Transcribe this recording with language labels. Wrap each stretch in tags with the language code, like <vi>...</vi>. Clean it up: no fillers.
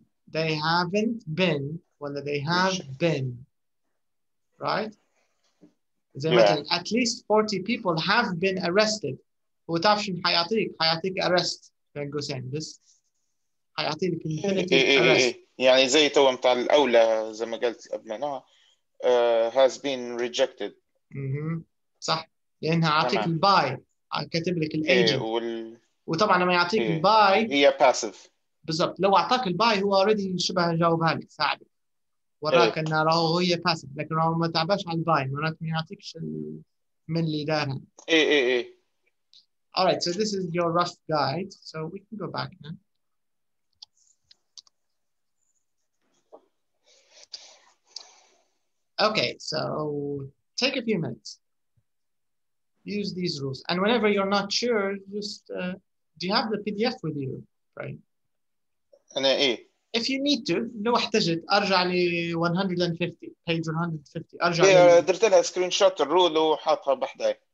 <en>They haven't been ولا they have been. Right?</en> <ar>زي مثلا</ar> <en>at least 40 people have been arrested.</en> <ar>هو تعرف شو حيعطيك؟ حيعطيك arrest بين قوسين بس حيعطيك infinity arrest. يعني زي تو بتاع الأولى زي ما قلت قبل نوع</ar> <en>has been rejected.</en> <ar>صح. لأنها عطيك الباي كاتب لك الايجنت وطبعا لما يعطيك الباي هي باسيف بالضبط لو اعطاك الباي هو اوريدي شبه جاوبها لك ساعدك وراك انها راهو هي باسيف لكن راهو ما تعباش على الباي معناته ما يعطيكش من اللي دارها ايه</ar> <en>All right, so this is your rough guide so we can go back now. Okay, so take a few minutes. Use these rules. And whenever you're not sure, just do you have the PDF with you, right?</en> <ar>أنا إيه.</ar> <en>If you need to,</en> <ar>لو احتجت أرجع لي</ar> <en>150, page 150.</en> <ar>أرجع إيه درت لها screenshot الرول وحاطها بحداي.</ar>